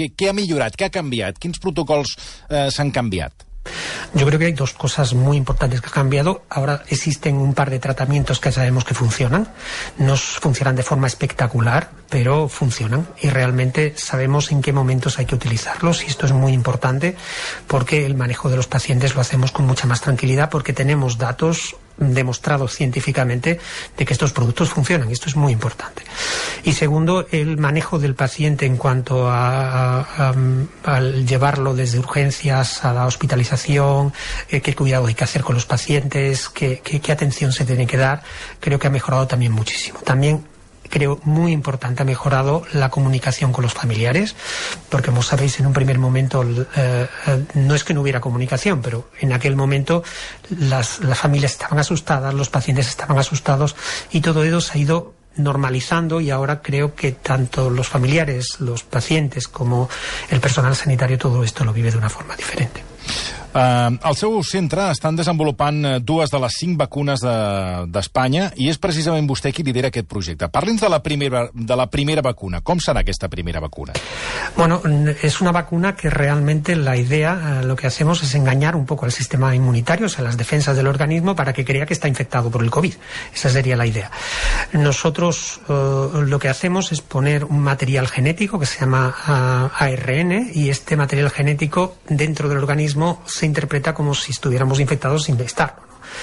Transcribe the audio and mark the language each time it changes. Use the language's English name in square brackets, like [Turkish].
[Catalan] Què ha millorat, què ha canviat, quins protocols s'han canviat? [Spanish] Yo creo que hay 2 cosas muy importantes que han cambiado. Ahora existen un par de tratamientos que sabemos que funcionan. No funcionan de forma espectacular, pero funcionan. Y realmente sabemos en qué momentos hay que utilizarlos. Y esto es muy importante porque el manejo de los pacientes lo hacemos con mucha más tranquilidad porque tenemos datos demostrados científicamente de que estos productos funcionan. Esto es muy importante. Y segundo, el manejo del paciente en cuanto al llevarlo desde urgencias a la hospitalización, qué cuidado hay que hacer con los pacientes, qué atención se tiene que dar, creo que ha mejorado también muchísimo. También creo muy importante, ha mejorado la comunicación con los familiares, porque como sabéis, en un primer momento no es que no hubiera comunicación, pero en aquel momento las familias estaban asustadas, los pacientes estaban asustados, y todo ello se ha ido normalizando, y ahora creo que tanto los familiares, los pacientes, como el personal sanitario, todo esto lo vive de una forma diferente. [Catalan] El seu centre estan desenvolupant 2 de les 5 vacunes d'Espanya i és precisament vostè qui lidera aquest projecte. Parli'ns de la primera vacuna. Com serà aquesta primera vacuna? [Spanish] Bueno, es una vacuna que realmente la idea, lo que hacemos es engañar un poco al sistema inmunitario, o sea, las defensas del organismo, para que crea que está infectado por el COVID. Esa sería la idea. Nosotros lo que hacemos es poner un material genético que se llama ARN, y este material genético dentro del organismo se interpreta como si estuviéramos infectados sin estarlo, ¿no?